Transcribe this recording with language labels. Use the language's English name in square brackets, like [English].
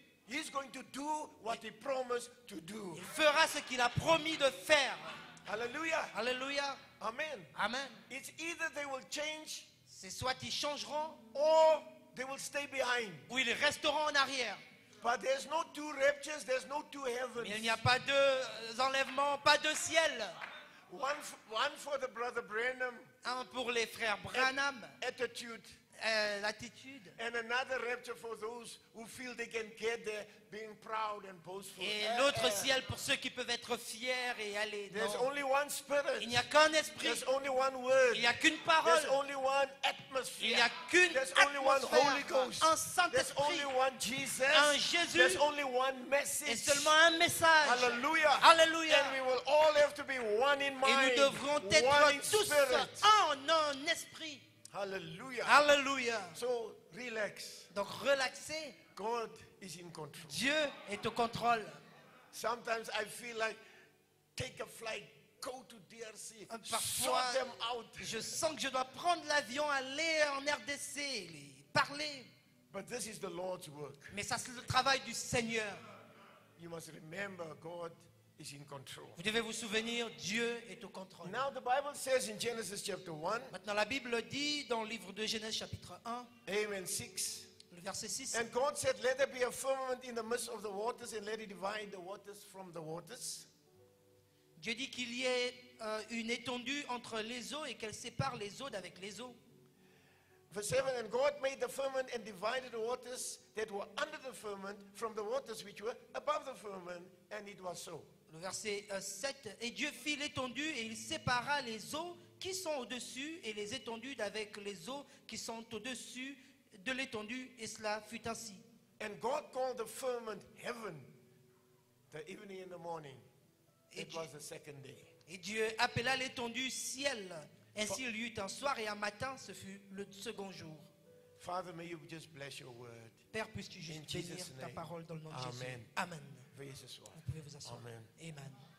[English] He's going to do what he promised to do. [French] Il fera ce qu'il a promis de faire. Hallelujah. Hallelujah. Amen. Amen. [English] It's either they will change. [French] C'est soit ils changeront. [English] Or they will stay behind. [French] Ou ils resteront en arrière. [English] But there's no two raptures, there's no two heavens. [French] Mais il n'y a pas deux enlèvements, pas deux ciels. [English] One for the brother Branham. [French] Un pour les frères Branham. [English] Attitude. [French] L'attitude. [English] And another rapture for those who feel they can get there, being proud and boastful. [French] Et l'autre ciel pour ceux qui peuvent être fiers et aller. [English] There's only one spirit. [French] Il n'y a qu'un esprit. [English] There's only one word. [French] Il n'y a qu'une parole. [English] There's only one atmosphere. [French] Il n'y a qu'une [English] only one Holy Ghost. [French] Un Saint-Esprit. [English] There's only one Jesus. [French] Un Jésus. [English] There's only one message. [French] Et seulement un message. Hallelujah. Hallelujah. [English] And we will all have to be one in mind. [French] Et nous devrons être tous un esprit. Hallelujah. Hallelujah. [English] So relax. [French] Donc relaxez. [English] God is in control. [French] Dieu est au contrôle. [English] Sometimes I feel like take a flight, go to DRC. [French] Parfois, [English] sort them out. [French] Je sens que je dois prendre l'avion, aller en RDC, parler. [English] But this is the Lord's work. [French] Mais ça c'est le travail du Seigneur. [English] You must remember God is in control. [French] Vous devez vous souvenir, Dieu est au contrôle. [English] Now the Bible says in Genesis chapter 1. [French] Maintenant la Bible dit dans le livre de Genèse chapitre 1. [English] Amen 6. [French] Le verset 6. [English] And God said, let there be a firmament in the midst of the waters and let it divide the waters from the waters. [French] Dieu dit qu'il y ait une étendue entre les eaux et qu'elle sépare les eaux d'avec les eaux. [English] Verse 7, and God made the firmament and divided the waters that were under the firmament from the waters which were above the firmament, and it was so. [French] Le verset 7, et Dieu fit l'étendue et il sépara les eaux qui sont au-dessus et les étendues d'avec les eaux qui sont au-dessus de l'étendue, et cela fut ainsi. [English] And God called the firmament heaven, the evening and the morning. It was the second day. [French] Et Dieu appela l'étendue ciel, ainsi il y eut un soir et un matin, ce fut le second jour. [English] Father, may you just bless your word. [French] Père, puisses-tu juste bénir ta parole dans le nom de Jésus. Amen. Amen. Veuillez vous asseoir. Vous pouvez vous asseoir. Amen. Amen.